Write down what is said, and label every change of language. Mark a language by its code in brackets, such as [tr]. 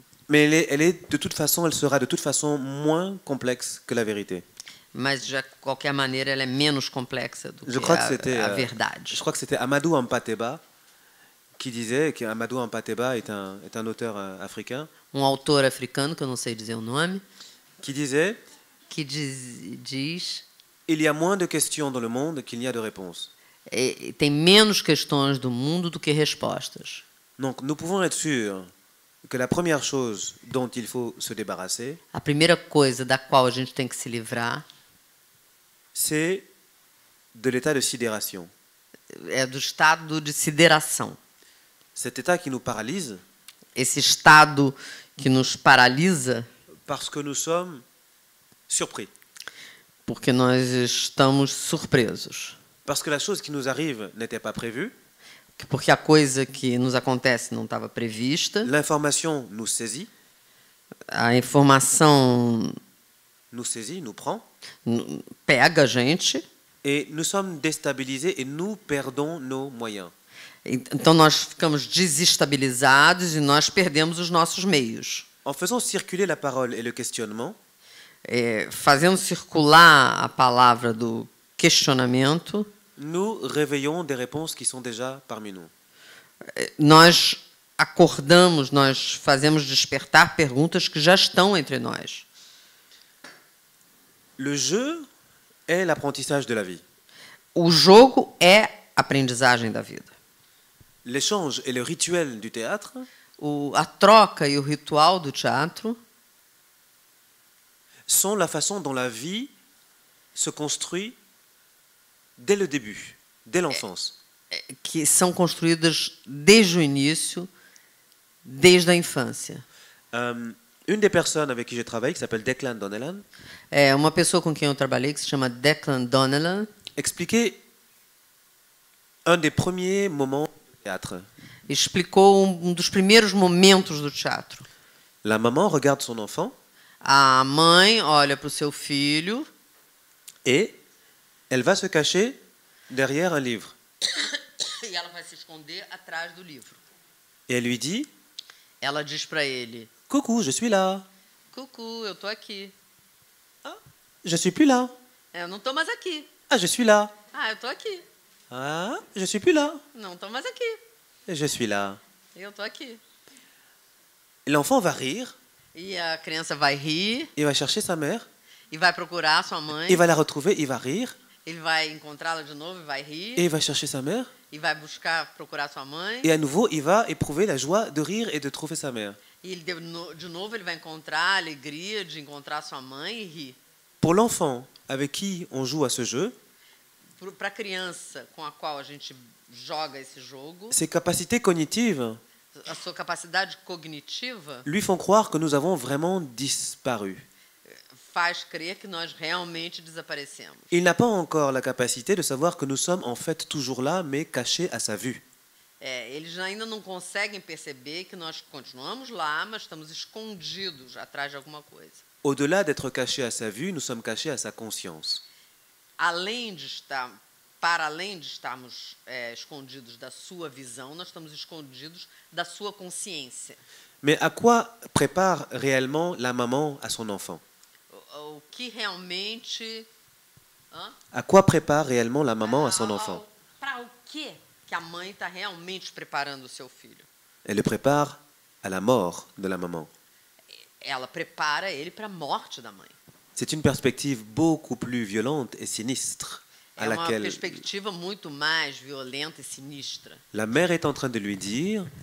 [fr] Mais elle est de toute façon, elle sera de toute façon moins complexe que la vérité. [pt] Mas de qualquer maneira ela é menos complexa do [fr] je [pt] que a verdade. [fr] Je crois que c'était Amadou Ampateba qui disait que Amadou Ampateba est un auteur africain. [pt] Um autor africano que eu não sei dizer o nome. [fr] Qui disait, [pt] que diz [fr] il y a moins de questions dans le monde qu'il n'y a de réponses. [pt] Tem menos questões do mundo do que respostas. [fr] Donc, nous pouvons être sûrs que la première chose dont il faut se débarrasser, [pt] a primeira coisa da qual a gente tem que se livrar, [fr] c'est de l'état de sidération. [pt] É do estado de sideração. [fr] Cet état qui nous paralyse, [pt] esse estado que nos paralisa. [fr] Parce que nous sommes surpris. [pt] Porque nós estamos surpresos. [fr] Parce que la chose qui nous arrive n'était pas prévue. [pt] Porque a coisa que nos acontece não estava prevista. [fr] L'information nous saisit. [pt] A informação [fr] nous saisit, nous prend. [pt] Pega a gente. [fr] Et nous sommes déstabilisés et nous perdons nos moyens. [pt] Então nós ficamos desestabilizados e nós perdemos os nossos meios. [fr] En faisant circuler la parole et le questionnement, [pt] fazendo circular a palavra do questionamento, [fr] nous réveillons des réponses qui sont déjà parmi nous. [pt] Nós acordamos, nós fazemos despertar perguntas que já estão entre nós. [fr] Le jeu est l'apprentissage de la vie. [pt] O jogo é a aprendizagem da vida. [fr] L'échange est le rituel du théâtre. [pt] A troca e o ritual do teatro são a [fr] façon dont la vie se construit dès le début, dès l'enfance. [pt] Que são construídas desde o início, desde a infância. [fr] Une des personnes avec qui je travaille, qui s'appelle Declan Donnellan, [pt] é uma pessoa com quem eu trabalhei, que se chama Declan Donnellan, [fr] expliquait un des premiers moments de théâtre. [pt] Explicou um dos primeiros momentos do teatro. [fr] La maman regarde son enfant. [pt] A mãe olha para o seu filho. [fr] Et elle va se cacher derrière un livre. [pt] E ela vai se esconder atrás do livro. [fr] Et elle lui dit. [pt] Ela diz para ele. [fr] Coucou, je suis là. [pt] Coucou, eu tô aqui. [fr] Ah, je suis plus là. [pt] Eu não tô mais aqui. [fr] Ah, je suis là. [pt] Ah, eu tô aqui. [fr] Ah, je suis plus là. [pt] Não tô mais aqui. [fr] Je suis là. [pt] Eu tô aqui. [fr] L'enfant va rire. [pt] E a criança vai rir. [fr] Il va chercher sa mère. [pt] E vai procurar sua mãe. [fr] Il va la retrouver, il va rire. [pt] Ele vai encontrá-la de novo e vai rir. [fr] Et il va chercher sa mère. [pt] E vai buscar procurar sua mãe. [fr] Et à nouveau, il va éprouver la joie de rire et de trouver sa mère. [pt] E ele de novo ele vai encontrar a alegria de encontrar sua mãe e rir. [fr] Pour l'enfant avec qui on joue à ce jeu. [pt] Para a criança com a qual a gente joga esse jogo. [fr] Ses capacités cognitives. [pt] A sua capacidade cognitiva. [fr] Lui font croire que nous avons vraiment disparu. [pt] Faz crer que nós realmente desaparecemos. [fr] Il n'a pas encore la capacité de savoir que nous sommes en fait toujours là, mais cachés à sa vue. [pt] Eles ainda não conseguem perceber que nós continuamos lá, mas estamos escondidos atrás de alguma coisa. [fr] Au-delà d'être cachés à sa vue, nous sommes cachés à sa conscience. [pt] Além de estar Para além de estarmos escondidos da sua visão, nós estamos escondidos da sua consciência. [fr] Mais à quoi prépare réellement la maman à son enfant? [pt] O que realmente? [fr] À quoi prépare réellement la maman à son enfant? [pt] Para o quê que a mãe está realmente preparando o seu filho? [fr] Elle le prépare à la mort de la maman. [pt] Ela prepara ele para a morte da mãe. [fr] C'est une perspective beaucoup plus violente et sinistre. à laquelle. [pt] Uma perspectiva muito mais violenta e sinistra. [fr] La mère est en train de lui dire.